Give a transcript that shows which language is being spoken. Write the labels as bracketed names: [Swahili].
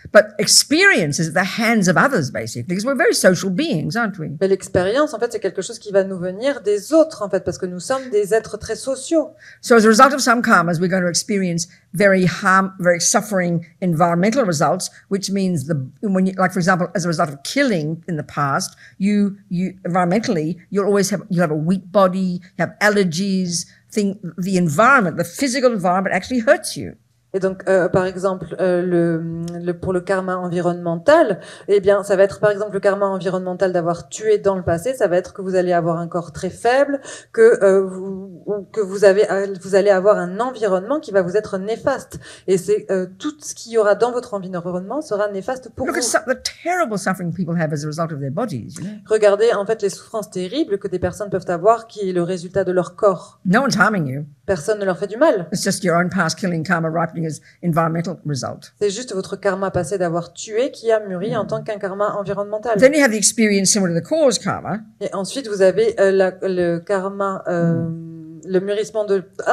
[English] But experience is at the hands of others, basically, because we're very social beings, aren't we? [French] Mais l'expérience, en fait, c'est quelque chose qui va nous venir des autres, en fait, parce que nous sommes des êtres très sociaux. [English] So as a result of some karmas, we're going to experience very harm, very suffering environmental results, which means for example, as a result of killing in the past, you environmentally, you'll have a weak body, you have allergies. Think the environment, the physical environment actually hurts you. [French] Et donc, par exemple, le pour le karma environnemental, eh bien, ça va être, par exemple, le karma environnemental d'avoir tué dans le passé, ça va être que vous allez avoir un corps très faible, que vous allez avoir un environnement qui va vous être néfaste. Et c'est tout ce qu'il y aura dans votre environnement sera néfaste pour vous. [English] Look at the terrible suffering people have as a result of their bodies, you know? [French] Regardez, en fait, les souffrances terribles que des personnes peuvent avoir qui est le résultat de leur corps. [English] No one's harming you. [French] Personne ne leur fait du mal. [English] It's just your own past killing karma ripening as environmental result. [French] C'est juste votre karma passé d'avoir tué qui a mûri en tant qu'un karma environnemental. [English] Then you have the experience similar to the cause karma. [French] Et ensuite vous avez le karma le mûrissement de